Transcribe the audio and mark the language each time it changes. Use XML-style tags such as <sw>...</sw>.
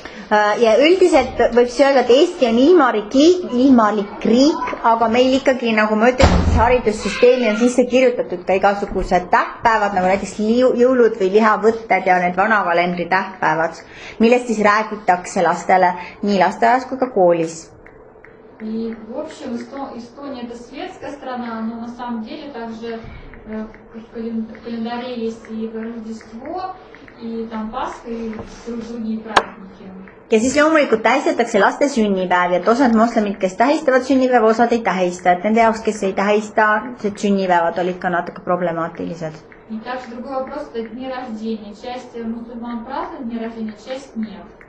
<et>Ja üldiselt võib see öelda, et Eesti on ilmalik riik, aga meil ikkagi, nagu ma ütlesin, et haridussüsteemi on sisse kirjutatud ka igasugused tähtpäevad, nagu näiteks jõulud või lihavõtted ja need vanavalendri tähtpäevad, millest siis räägitakse lastele nii lasteajas kui ka koolis.</et> <ru>И в общем, Эстония – это светская страна, но на самом деле также в календаре есть и Рождество, и там Пасха, и другие праздники.</ru> <et>Ja siis loomulikult tähistatakse laste sünnipäev, et osad moslemid, kes tähistavad sünnipäev, osad ei tähista. Et nende jaoks, kes ei tähista, see sünnipäevad olid ka natuke problemaatilised. Nii täpselt rugu vabrost, et nii rahdini, chest ja musulman praasad, nii rahdini, chest nii.</et>